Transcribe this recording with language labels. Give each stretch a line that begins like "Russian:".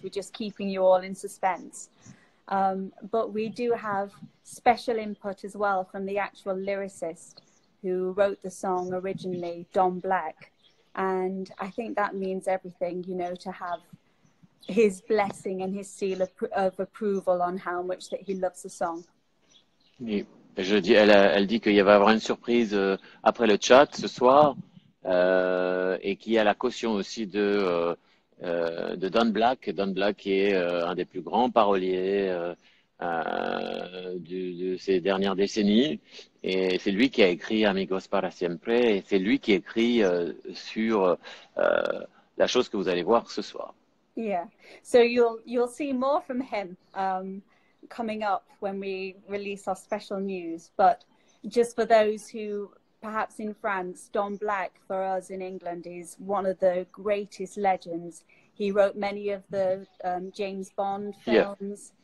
English: We're just keeping you all in suspense. But we do have special input as well from the actual lyricist who wrote the song originally, Don Black. And I think that means everything, you know, to have his blessing and his seal of approval on how much that he loves the song.
French: Oui. Je dis, elle dit qu'il va y avoir une surprise après le chat ce soir, et qu'il y a la caution aussi de Don Black. Don Black est un des plus grands paroliers de ces dernières décennies. Et c'est lui qui a écrit Amigos para Siempre, et c'est lui qui a écrit sur la chose que vous allez voir ce soir.
English: Yeah, so you'll see more from him coming up when we release our special news. But just for those who perhaps in France, Don Black for us in England is one of the greatest legends. He wrote many of the James Bond films.